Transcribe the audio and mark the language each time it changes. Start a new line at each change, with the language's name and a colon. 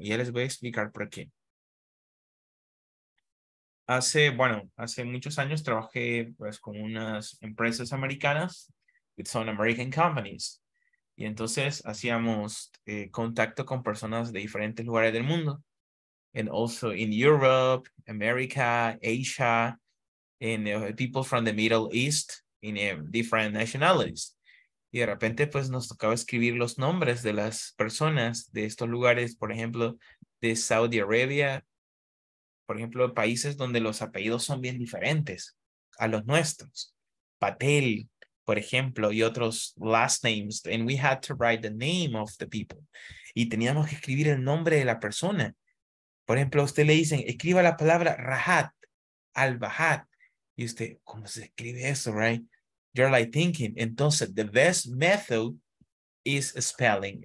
Spanish: Y ya les voy a explicar por qué. Hace muchos años trabajé pues, con unas empresas americanas,
English: with some American companies.
Spanish: Y entonces hacíamos contacto con personas de diferentes lugares del mundo.
English: And also in Europe, America, Asia, and people from the Middle East in different nationalities.
Spanish: Y de repente, pues, nos tocaba escribir los nombres de las personas de estos lugares, por ejemplo, de Saudi Arabia. Por ejemplo, países donde los apellidos son bien diferentes a los nuestros. Patel, por ejemplo, y otros last names.
English: And we had to write the name of the people.
Spanish: Y teníamos que escribir el nombre de la persona. Por ejemplo, a usted le dicen, escriba la palabra Rahat, Al-Bahat. Y usted, ¿cómo se escribe eso, right?
English: you're like thinking, entonces, the best method is spelling.